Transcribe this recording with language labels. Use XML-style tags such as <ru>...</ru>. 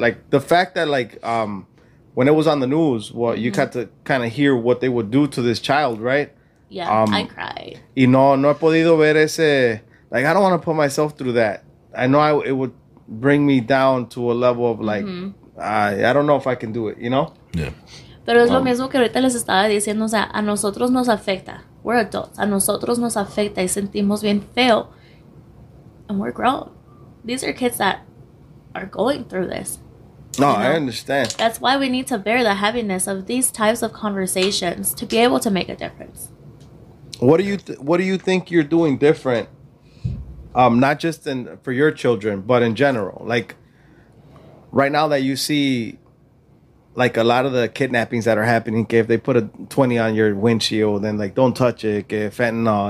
<en>Like, the fact that, like, when it was on the news, well, you got to kind of hear what they would do to this child, right? Yeah, I cried.</en> <es>Y no he podido ver ese...</es> <en>Like, I don't want to put myself through that. I know it would bring me down to a level of, like, I don't know if I can do it, you know? Yeah.</en> <es>Pero es lo mismo que ahorita les estaba diciendo. O sea, a nosotros nos afecta.</es> <en>We're adults.</en> <es>A nosotros nos afecta y sentimos bien feo.</es> <en>And we're grown. These are kids that are going through this. No, you know? I understand. That's why we need to bear the heaviness of these types of conversations to be able to make a difference. What do you think you're doing different? Not just in for your children, but in general. Like, right now that you see, like, a lot of the kidnappings that are happening, if they put a 20 on your windshield, then, like, don't touch it, get fentanyl.</en>